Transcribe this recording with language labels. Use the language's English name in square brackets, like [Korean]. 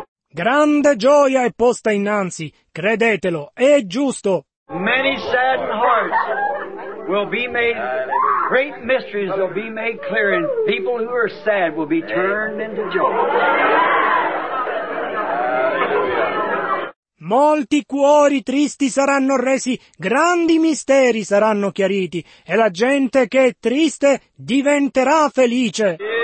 [Italian] Grande gioia è posta innanzi, credetelo, è giusto. [English] Many saddened hearts will be made, great mysteries will be made clear, and people who are sad will be turned into joy. [Italian] Molti cuori tristi saranno resi, grandi misteri saranno chiariti, e la gente che è triste diventerà felice.